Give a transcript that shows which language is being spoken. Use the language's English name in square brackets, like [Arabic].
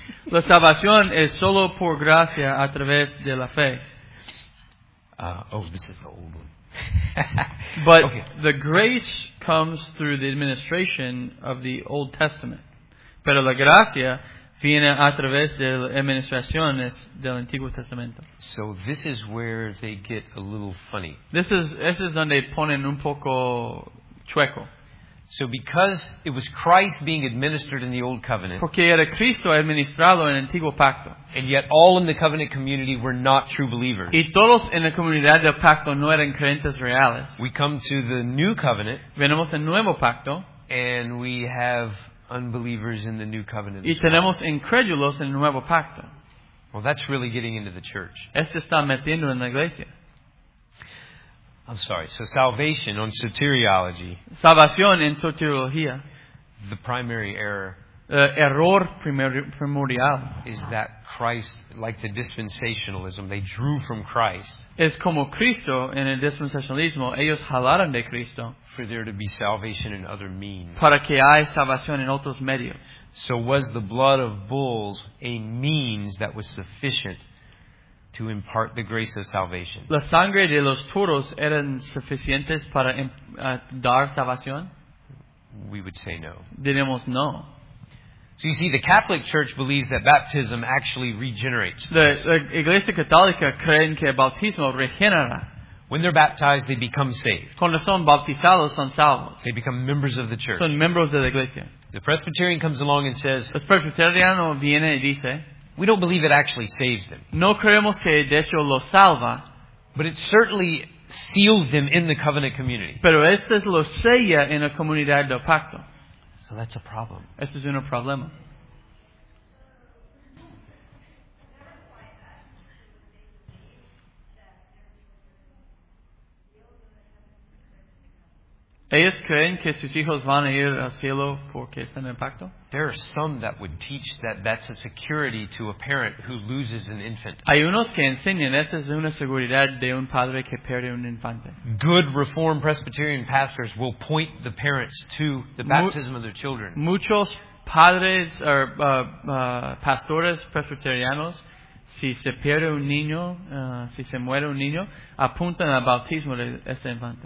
[Spanish] La salvación es solo por gracia a través de la fe. [English] This is the old one. But okay. The grace comes through the administration of the Old Testament. [Spanish] Pero la gracia viene a través de las administraciones del Antiguo Testamento. [English] So this is where they get a little funny. This is [Spanish] donde ponen un poco chueco. [English] So because it was Christ being administered in the Old Covenant, [Spanish] porque era Cristo administrado en el Antiguo Pacto, [English] and yet all in the covenant community were not true believers, [Spanish] y todos en la comunidad del pacto no eran creyentes reales, [English] we come to the New Covenant, [Spanish] venimos al Nuevo Pacto, [English] and we have unbelievers in the New Covenant, [Spanish] y tenemos incrédulos en el Nuevo Pacto. [English] Well, that's really getting into the church. [Spanish] Esto está metiendo en la iglesia. [English] I'm sorry. So salvation on soteriology. [Spanish] Salvación en soteriología. [English] The primary error. [Spanish] Error primordial. [English] Is that Christ, like the dispensationalism, they drew from Christ. [Spanish] Es como Cristo en el dispensacionalismo, ellos jalaron de Cristo. [English] For there to be salvation in other means. [Spanish] Para que haya salvación en otros medios. [English] So was the blood of bulls a means that was sufficient to impart the grace of salvation? [Spanish] La sangre de los toros eran suficientes para dar salvación? [English] We would say no. [Spanish] Diremos no. [English] So you see, the Catholic Church believes that baptism actually regenerates. [Spanish] La Iglesia Católica creen que el bautismo regenera. [English] When they're baptized, they become saved. [Spanish] Cuando son bautizados, son salvos. [English] They become members of the church. [Spanish] Son miembros de la iglesia. [English] The Presbyterian comes along and says, [Spanish] el presbiteriano viene y dice, [English] we don't believe it actually saves them. [Spanish] No creemos que de hecho lo salva. [English] But it certainly seals them in the covenant community. [Spanish] Pero esto lo sella en la comunidad del pacto. [English] So that's a problem. [Spanish] Esto es un problema. ¿Ellos creen que sus hijos van a ir al cielo porque están en el pacto? [English] There are some that would teach that that's a security to a parent who loses an infant. [Spanish] Hay unos que enseñan esa es una seguridad de un padre que pierde un infante. [English] Good Reformed Presbyterian pastors will point the parents to the baptism of their children. [Spanish] Muchos padres o pastores presbiterianos, si se pierde un niño, si se muere un niño, apuntan al bautismo de ese infante.